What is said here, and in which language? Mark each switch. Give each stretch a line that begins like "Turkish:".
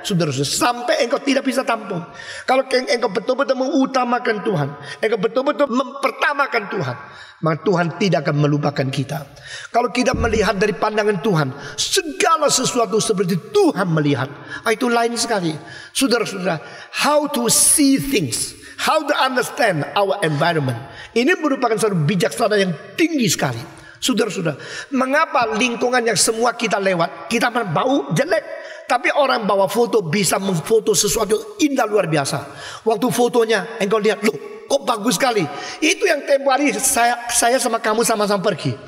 Indonesian: Saudara-saudara, sampai engkau tidak bisa tampung. Kalau engkau betul-betul mengutamakan Tuhan, engkau betul-betul mempertamakan Tuhan, maka Tuhan tidak akan melupakan kita. Kalau kita melihat dari pandangan Tuhan, segala sesuatu seperti Tuhan melihat, itu lain sekali. Saudara-saudara,
English: how to see things, how to understand our environment.
Indonesian: Ini merupakan satu bijaksana yang tinggi sekali. Saudara-saudara, mengapa lingkungan yang semua kita lewat, kita bau jelek, tapi orang bawa foto bisa memfoto sesuatu indah luar biasa. Waktu fotonya, engkau lihat, loh, kok bagus sekali. Itu yang tempo hari saya sama kamu sama-sama pergi.